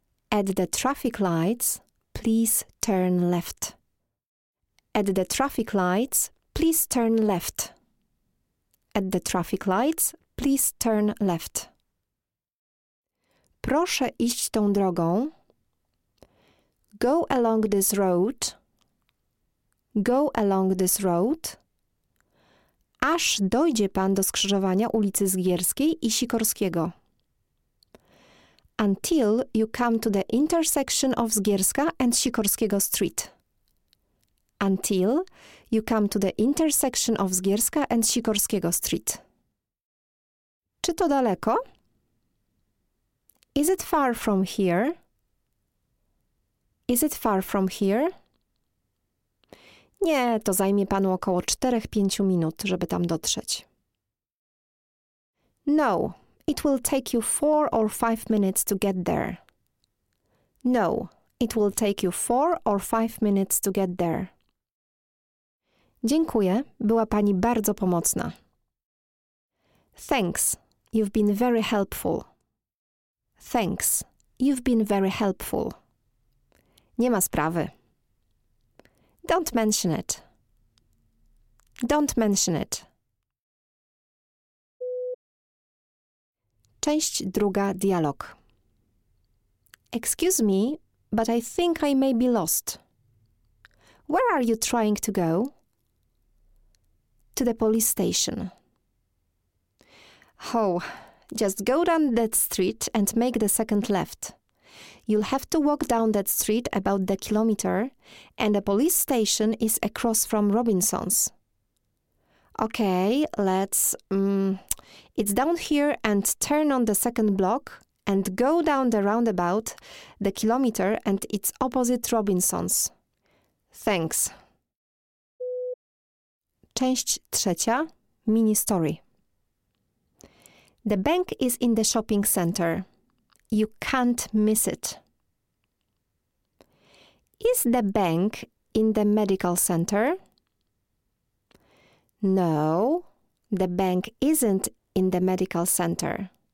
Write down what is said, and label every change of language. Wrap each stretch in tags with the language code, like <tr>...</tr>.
<en>At the traffic lights, please turn left. At the traffic lights, please turn left. At the traffic lights, please turn left.</en> <pl>Proszę iść tą drogą.</pl> <en>Go along this road. Go along this road.</en> <pl>Aż dojdzie pan do skrzyżowania ulicy Zgierskiej i Sikorskiego.</pl> <en>Until you come to the intersection of Zgierska and Sikorskiego Street. Until you come to the intersection of Zgierska and Sikorskiego Street.</en> <pl>Czy to daleko?</pl> <en>Is it far from here? Is it far from here?</en> <pl>Nie, to zajmie panu około 4-5 minut, żeby tam dotrzeć.</pl> <en>No, it will take you 4 or 5 minutes to get there. No, it will take you 4 or 5 minutes to get there.</en> <pl>Dziękuję, była pani bardzo pomocna.</pl> <en>Thanks, you've been very helpful. Thanks, you've been very helpful.</en> <pl>Nie ma sprawy.</pl> <en>Don't mention it. Don't mention it.</en> <pl>Część druga, dialog.</pl> <en>Excuse me, but I think I may be lost. Where are you trying to go? To the police station. Oh, just go down that street and make the second left. You'll have to walk down that street about the kilometer, and the police station is across from Robinson's. Okay, let's... it's down here and turn on the second block and go down the roundabout, the kilometer, and it's opposite Robinson's. Thanks.</en> <pl>Część trzecia, mini story.</pl> <en>The bank is in the shopping center. You can't miss it. Is the bank in the medical center? No, the bank isn't in the medical center.</en>